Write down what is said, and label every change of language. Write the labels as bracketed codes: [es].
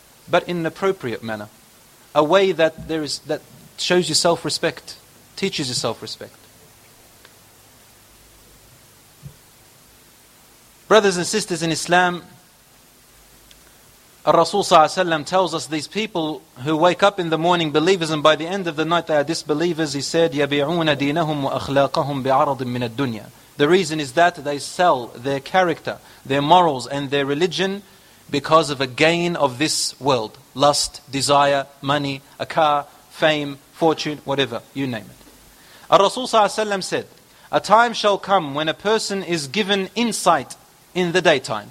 [en] But in an appropriate manner. A way that there is that shows you self-respect, teaches you self-respect. Brothers and sisters in Islam, Rasul Sallallahu Alaihi Wasallam tells us these people who wake up in the morning believers and by the end of the night they are disbelievers. [ar] He said, يَبِعُونَ دِينَهُمْ وَأَخْلَاقَهُمْ بِعَرَضٍ مِّنَ الدُّنْيَا. [en] The reason is that they sell their character, their morals and their religion because of a gain of this world. Lust, desire, money, a car, fame, fortune, whatever, you name it. Rasul Sallallahu Alaihi Wasallam said, a time shall come when a person is given insight in the daytime.